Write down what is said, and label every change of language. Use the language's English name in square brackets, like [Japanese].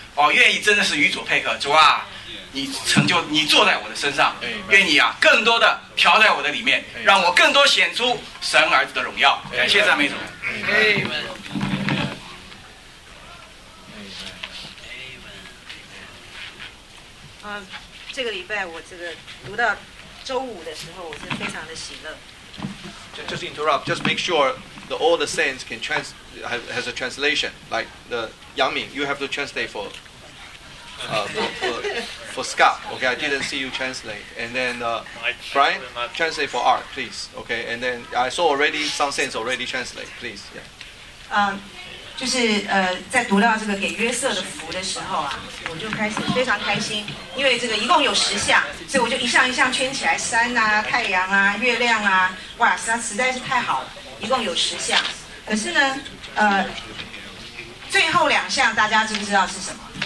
[Chinese] 哦，愿意真的是与主配合，主啊，你成就，你坐在我的身上，愿你啊更多的调在我的里面，让我更多显出神儿子的荣耀。感谢赞美主。这个礼拜我这个读到周五的时候，我是非常的喜乐。 [English] Just interrupt. Just make sure the all the saints can has a translation. Like the Yang Ming, you have to translate for Scott. Okay, I didn't see you translate. And then Brian, translate for Art, please. Okay, and then I saw already some saints already translate. Please, yeah. [Chinese] 就是在读到这个给约瑟的福的时候啊，我就开始非常开心，因为这个一共有十项，所以我就一项一项圈起来，山啊、太阳啊、月亮啊，哇，实在是太好了，一共有十项。可是呢，最后两项大家知不知道是什么？